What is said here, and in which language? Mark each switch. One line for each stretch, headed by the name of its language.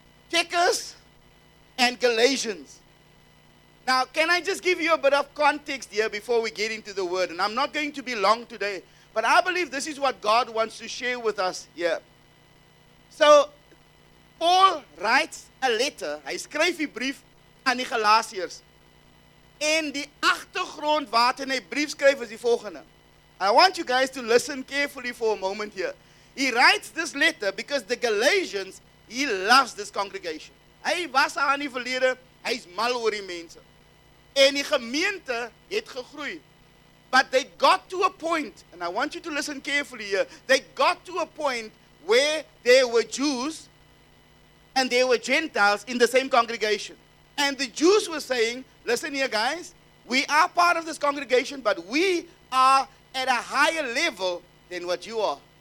English: Checkers and Galatians. Now, can I just give you a bit of context here before we get into the word? And I'm not going to be long today, but I believe this is what God wants to share with us here. So, Paul writes a letter.
Afrikaans: Hy skryf 'n brief aan die Galasiërs. En die agtergrond waarin hy brief skryf is die volgende.
English: I want you guys to listen carefully for a moment here. He writes this letter because the Galatians, he loves this congregation.
Afrikaans: Hy was aan die verlede, hy is mal oor die mense. En die gemeente het gegroei.
English: But they got to a point, and I want you to listen carefully here. They got to a point where there were Jews and there were Gentiles in the same congregation. And the Jews were saying, "Listen here, guys, we are part of this congregation, but we are at a higher level than what you are.